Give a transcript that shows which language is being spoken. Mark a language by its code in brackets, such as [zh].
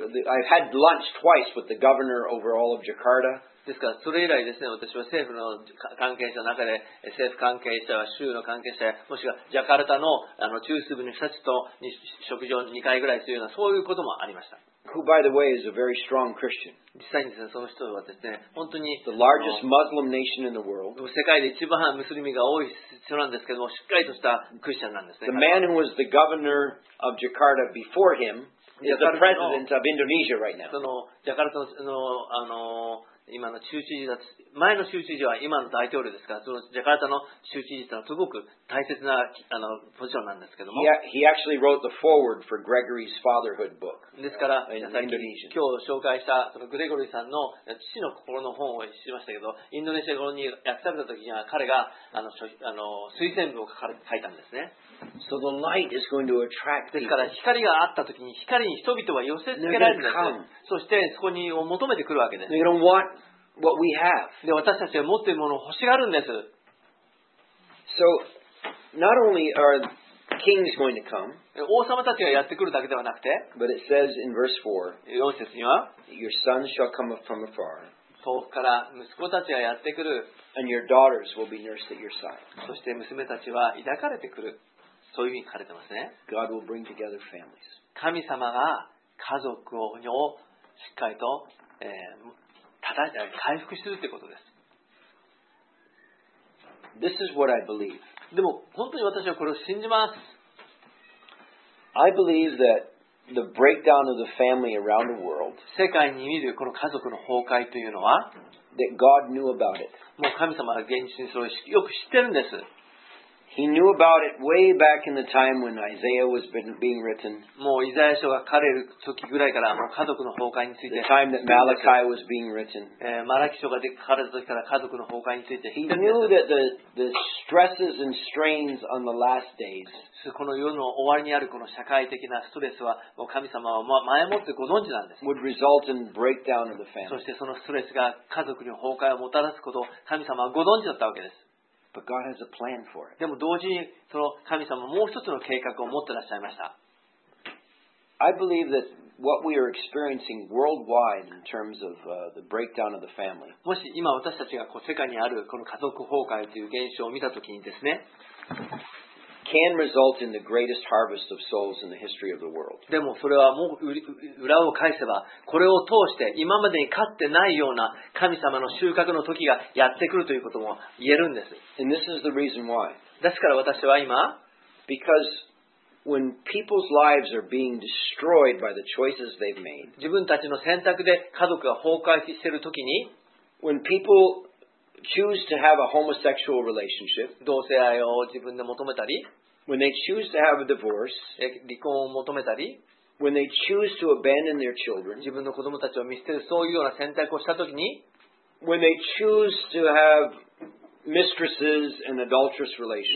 [en] I've had lunch twice with the governor over all of Jakarta. [ja] ですからそれ以来ですね、私は政府の関係者の中で、政府関係者、州の関係者、もしくはジャカルタ の中枢部の人たちと食事を2回ぐらいするような、そういうこともありました。 [en] Who, by the way, is a very strong Christian. [ja] 実際にですね、その人はですね、本当に [en] the largest Muslim nation in the world. [ja] 世界で一番ムスリミが多い人なんですけども、しっかりとしたクリスチャンなんですね。 [en] The man who was the governor of Jakarta before him is the president of Indonesia right now. [ja] そのジャカルタの今の州知事だ、前の州知事は今の大統領ですから、そのジャカルタの州知事というのはすごく大切なポジションなんですけども。 [en] He actually wrote the foreword for Gregory's fatherhood book. [ja] ですから、今日紹介したそのグレゴリーさんの父の心の本を知りましたけど、インドネシア語に訳された時には彼が推薦文を書いたんですね。 [en] So the light is going to attract people. [ja] ですから光があった時に、光に人々は寄せつけられるんですね。そしてそこにを求めてくるわけです。 [en] What we have. [ja] 私たちは持っているものを欲しがるんです。 [en] So, not only are kings going to come, [ja] 王様たちがやってくるだけではなくて、 [en] but it says in verse 4, [ja] 4節には、 [en] your sons shall come up from afar, [ja] 遠くから息子たちがやってくる、 [en] and your daughters will be nursed at your side. [ja] そして娘たちは抱かれてくる。そういうふうに書かれてますね。 [en] God will bring together families. [ja] 神様が家族をしっかりと、回復するってことです。 [en] This is what I believe. [ja] でも本当に私はこれを信じます。 [en] I believe that the breakdown of the family around the world. [ja] 世界に見るこの家族の崩壊というのは、 [en] that God knew about it. [ja] もう神様は現実にそれをよく知ってるんです。 [en] He knew about it way back in the time when Isaiah was being written. [ja] もうイザヤ書が書かれる時ぐらいから、もう家族の崩壊について。 [en] The time that Malachi was being written. [ja] マラキ書が書かれた時から家族の崩壊について。 [en] He knew that the stresses and strains on the last days. [ja] この世の終わりにあるこの社会的なストレスは、もう神様は前もってご存知なんです。 [en] Would result in breakdown of the family. [ja] そしてそのストレスが家族に崩壊をもたらすことを神様はご存知だったわけです。 [en] But God has a plan for it. [ja] でも同時にその神様ももう一つの計画を持ってらっしゃいました。 [en] I believe that what we are experiencing worldwide in terms of the breakdown of the family. [ja] もし今私たちがこう世界にあるこの家族崩壊という現象を見たときにですね、 [en] can result in the greatest harvest of souls in the history of the world. [ja] でもそれはもう裏を返せば、これを通して今までに勝ってないような神様の収穫の時がやってくるということも言えるんです。 [en] And this is the reason why. [ja] ですから私は今、 [en] because when people's lives are being destroyed by the choices they've made, [ja] 自分たちの選択で家族が崩壊している時に、 [en] when peoplechoose to have a homosexual relationship, [ja] 同性愛を自分で求めたり、 [en] when they choose to have a divorce, [ja] 離婚を求めたり、 [en] when they choose to abandon their children, [ja] 自分の子供たちを見捨てるそういうような選択をしたときに、 [en] when they choose to have mistresses and adulterous relationships,